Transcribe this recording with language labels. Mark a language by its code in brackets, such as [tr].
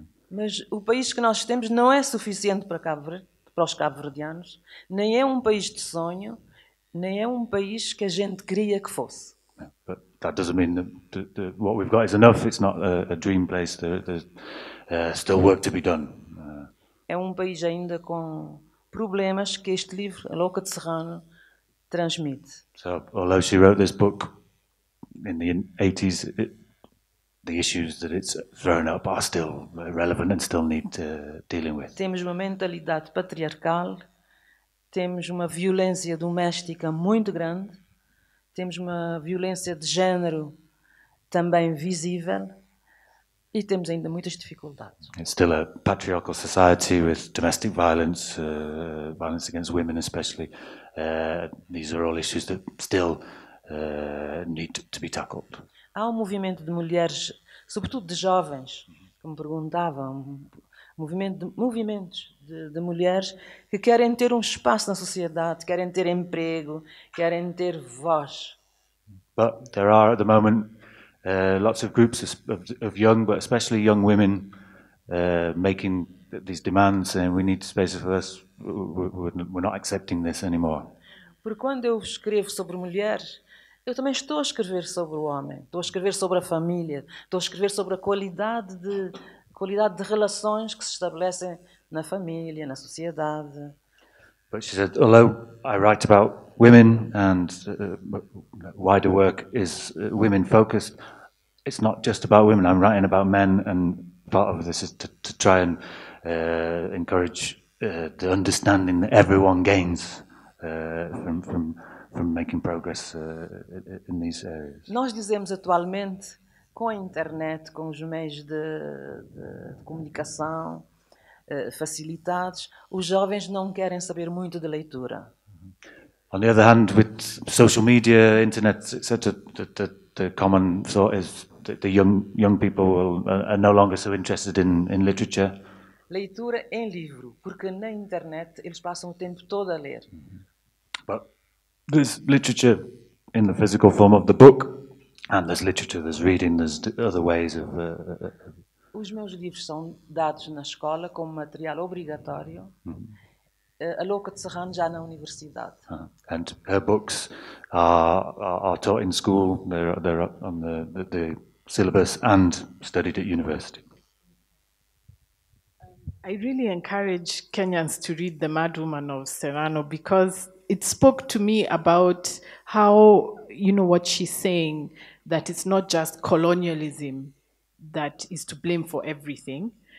[pt] Mas o país que nós temos não é suficiente para Cabo Verde, para os cabo-verdianos. Nem é um país de sonho, nem é um país que a gente queria que fosse. [en] Yeah, but that doesn't mean that what we've got is enough. It's not a dream place. There's still work to be done. [pt] É um país ainda com problemas que este livro, A Louca de Serrano, transmite. [en] So, although she wrote this book in the 80s, the issues that it's thrown up are still relevant and still need dealing with. [pt] Temos uma mentalidade patriarcal, temos uma violência doméstica muito grande, temos uma violência de género também visível, e temos ainda muitas dificuldades. [en] It's still a patriarchal society with domestic violence, violence against women especially. These are all issues that still need to be tackled. [pt] Há um movimento de mulheres, sobretudo de jovens, que me perguntavam, movimentos de mulheres que querem ter um espaço na sociedade, querem ter emprego, querem ter voz. [en] But there are at the moment lots of groups of young, but especially young women, making these demands, saying we need space for us. We're not accepting this anymore. [pt] Porque quando eu escrevo sobre mulheres, eu também estou a escrever sobre o homem, estou a escrever sobre a família, estou a escrever sobre a qualidade de relações que se estabelecem na família, na sociedade. [en] But she said, although I write about women and wider work is women focused, it's not just about women. I'm writing about men, and part of this is to try and encourage the understanding that everyone gains from making progress in these areas. [pt] Nós dizemos atualmente, com a internet, com os meios de comunicação facilitados, os jovens não querem saber muito de leitura. [en] On the other hand, with social media, internet, etc., the common thought is that the young people are no longer so interested in literature. [pt] Leitura em livro, porque na internet eles passam o tempo todo a ler. [en] But there's literature in the physical form of the book, and there's literature, there's reading, there's other ways of... [pt] Os meus livros são dados na escola como material obrigatório. A Louca de Serrano já na universidade. [en] And her books are taught in school, they're on the syllabus and studied at university. I really encourage Kenyans to read The Mad Woman of Serrano, because it spoke to me about how, you know, what she's saying, that it's not just colonialism that is to blame for everything.